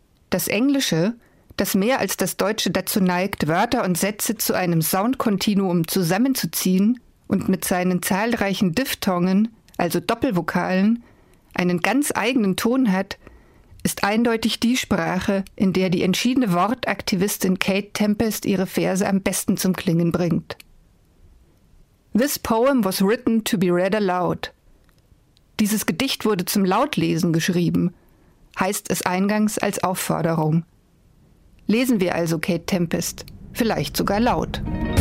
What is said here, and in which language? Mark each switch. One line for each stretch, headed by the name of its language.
German: Das Englische, das mehr als das Deutsche dazu neigt, Wörter und Sätze zu einem Soundkontinuum zusammenzuziehen und mit seinen zahlreichen Diphthongen, also Doppelvokalen, einen ganz eigenen Ton hat, ist eindeutig die Sprache, in der die entschiedene Wortaktivistin Kate Tempest ihre Verse am besten zum Klingen bringt.
English: This poem was written to be read aloud.
German: Dieses Gedicht wurde zum Lautlesen geschrieben, heißt es eingangs als Aufforderung. Lesen wir also Kate Tempest, vielleicht sogar laut. Musik.